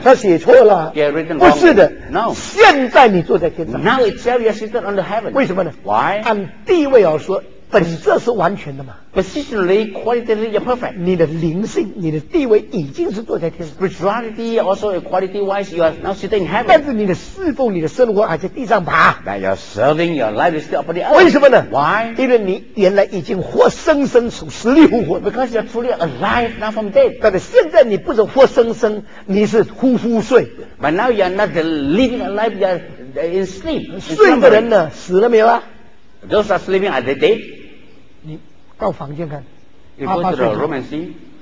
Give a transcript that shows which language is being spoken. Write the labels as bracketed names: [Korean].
[Chinese] 他写错了 [English] Yeah written wrong [Chinese] 不是的 [English] No [Chinese] 现在你坐在天上 [English] Now itself you are seated under heaven [Chinese] 为什么呢 [English] Why [Chinese] 按地位而说本质是完全的嘛 [English] Positionally qualitatively you're perfect [Chinese] 你的灵性你的地位已经是坐在天上 [English] Spirituality also quality wise you are now sitting in heaven [Chinese] 但是你的侍奉你的生活还在地上爬 [English] That you're serving your life is still up on the earth [Chinese] 为什么呢 [English] Why [Chinese] 因为你原来已经活生生从死里复活 [English] Because you're truly alive not from dead [Chinese] 但是现在你不是活生生你是呼呼睡 [English] But now you're not living alive you're in sleep [Chinese] 睡的人呢死了没有啊 [English] Those are sleeping are they dead [Chinese] 你到房间看 [English] You go to the room and see